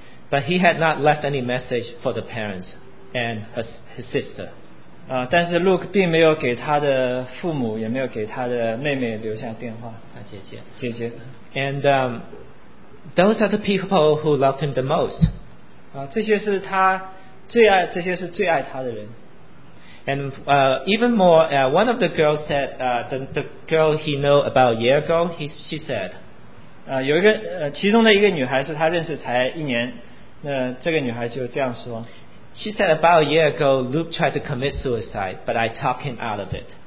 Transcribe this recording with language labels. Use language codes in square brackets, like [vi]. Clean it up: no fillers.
[en] But he had not left any message for the parents and his sister. [zh] 但是Luke并没有给他的父母，也没有给他的妹妹留下电话。姐姐。 [en] And those are the people who loved him the most. [zh] 这些是他最爱，这些是最爱他的人。 [en] And even more, one of the girls said, the girl he knew about a year ago, she said, [zh] 其中的一个女孩是他认识才一年。 [en] She said about a year ago, Luke tried to commit suicide, but I talked him out of it.